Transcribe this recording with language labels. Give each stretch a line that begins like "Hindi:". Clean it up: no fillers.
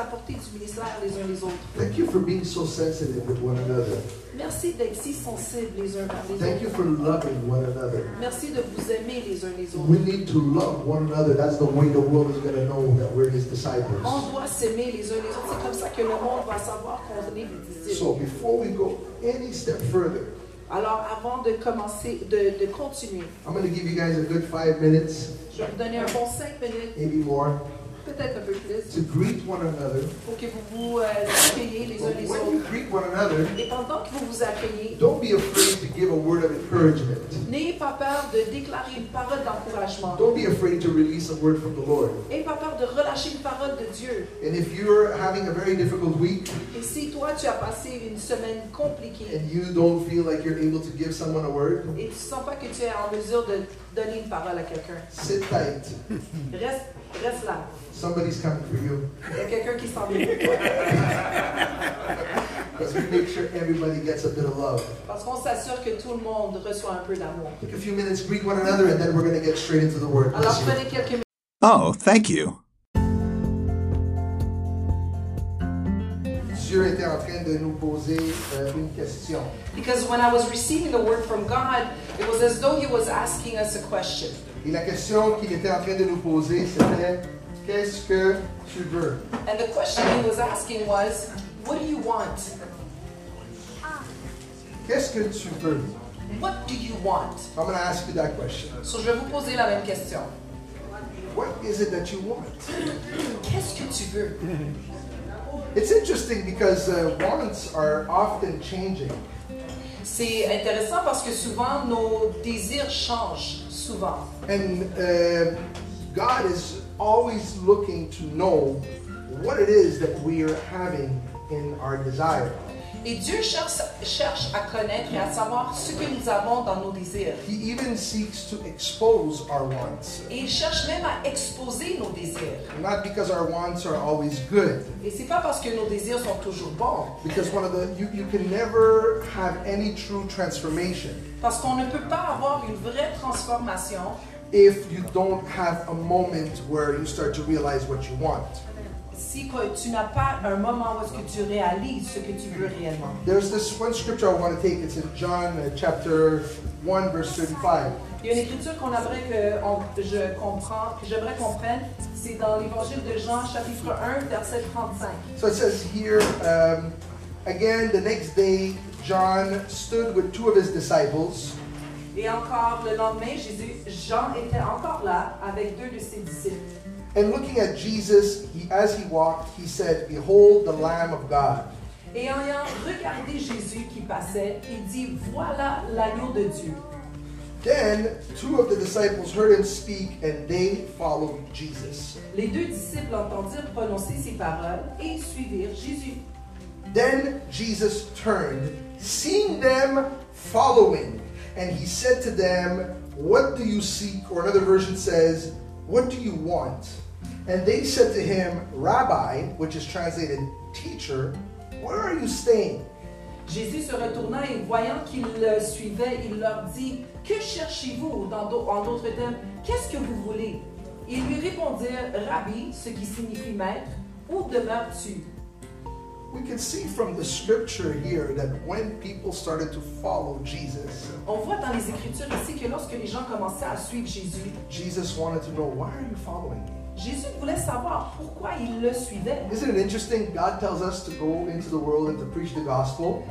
English: Thank you for being so sensitive with one another.
French: Merci d'être si sensible les uns vers les autres.
English: Thank you for loving one another.
French: Merci de vous aimer les uns les autres.
English: We need to love one another. That's the way the world is going to know that we're his disciples.
French: On doit s'aimer les uns les autres. C'est comme ça que le monde va savoir qu'on est des disciples.
English: So before we go any step further,
French: alors avant de commencer, de continuer,
English: I'm going to give you guys a good 5 minutes.
French: Je vais vous donner un bon 5 minutes.
English: Maybe more.
French: Peut-être un peu plus.
English: To greet one another.
French: Pour que vous vous accueillez les uns les autres.
English: Greet one another,
French: et pendant que vous vous accueillez,
English: don't be afraid to give a word of encouragement.
French: N'ayez pas peur de déclarer une parole d'encouragement.
English: Don't be afraid to release a word from the Lord.
French: N'ayez pas peur de relâcher une parole de Dieu.
English: And if you're having a very difficult week,
French: et si toi tu as passé une semaine compliquée,
English: and you don't feel like you're able to give someone a word,
French: et tu ne sens pas que tu es en mesure de donner une parole à quelqu'un,
English: sit tight.
French: Reste là.
English: Somebody's coming for you.
French: Il y a quelqu'un qui s'en vient.
English: Because we make sure everybody gets a bit of love.
French: Parce qu'on s'assure que tout le monde reçoit un peu d'amour.
English: Take a few minutes, greet one another, and then we're going to get straight into the word.
French: Alors, prenez quelques minutes.
English: Oh, thank you.
French: Dieu était en train de nous poser une question.
English: Because when I was receiving the word from God, it was as though he was asking us a question.
French: Et la question qu'il était en train de nous poser, c'était... Qu'est-ce que tu veux?
English: And the question he was asking was, what do you want?
French: Qu'est-ce que tu veux?
English: What do you want? I'm going to ask you that question.
French: So je vais vous poser la même question.
English: What is it that you want?
French: Qu'est-ce que tu veux?
English: It's interesting because wants are often changing.
French: C'est intéressant parce que souvent nos désirs changent. Souvent.
English: And God is always looking to know what it is that we are having in our desire.
French: Et Dieu cherche à connaître et à savoir ce que nous avons dans nos désirs.
English: He even seeks to expose our wants.
French: Et il cherche même à exposer nos désirs.
English: Not because our wants are always good.
French: Et c'est pas parce que nos désirs sont toujours bons.
English: Because one of the you can never have any true transformation.
French: Parce qu'on ne peut pas avoir une vraie transformation.
English: If you don't have a moment where you start to realize what you want.
French: Si tu n'as pas un moment où est-ce que tu réalises ce que tu veux réellement.
English: There's this one scripture I want to take. It's in John chapter 1 verse 35.
French: Il y a une écriture qu'on aimerait que je comprends, que j'aimerais comprendre. C'est dans l'évangile de Jean chapitre 1 verset 35.
English: So it says here, again the next day John stood with two of his disciples.
French: Et encore le lendemain, Jean était encore là avec deux de ses disciples.
English: And looking at Jesus, as he walked, he said, "Behold, the Lamb of God."
French: Et en ayant regardé Jésus qui passait, il dit, "Voilà l'agneau de Dieu."
English: Then two of the disciples heard him speak, and they followed Jesus.
French: Les deux disciples entendirent prononcer ces paroles et suivirent Jésus.
English: Then Jesus turned, seeing them following, and he said to them, "What do you seek?" Or another version says, "What do you want?" And they said to him, "Rabbi," which is translated teacher, "where are you staying?"
French: Jésus se retourna et voyant qu'ils le suivaient, il leur dit, "Que cherchez-vous?" En d'autres termes, qu'est-ce que vous voulez? Ils lui répondirent, "Rabbi," ce qui signifie maître, "où demeures-tu?"
English: We can see from the scripture here that when people started to follow Jesus,
French: on voit dans les écritures ici que lorsque les gens commençaient à suivre Jésus,
English: Jesus wanted to know, "Why are you following me?"
French: Jésus voulait savoir pourquoi il le suivait.
English: Isn't it interesting? God tells us to go into the world and to preach the gospel.